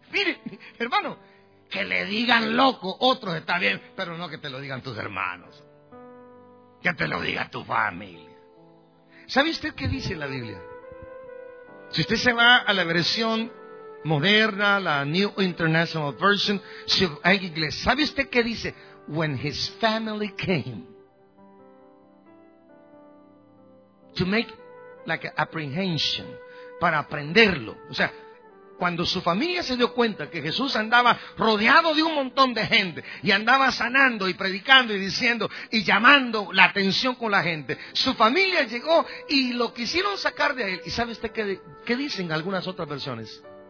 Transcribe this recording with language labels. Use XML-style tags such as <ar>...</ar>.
<es>Mire, hermano, que le digan loco, otros está bien, pero no que te lo digan tus hermanos, que te lo diga tu familia. ¿Sabe usted qué dice la Biblia? Si usted se va a la versión moderna, la New International Version, si hay inglés, ¿sabe usted qué dice?</es> <en>When his family came to make like an apprehension,</en> <es>para aprenderlo. O sea, cuando su familia se dio cuenta que Jesús andaba rodeado de un montón de gente y andaba sanando y predicando y diciendo y llamando la atención con la gente, su familia llegó y lo quisieron sacar de él. ¿Y sabe usted qué dicen algunas otras versiones?</es>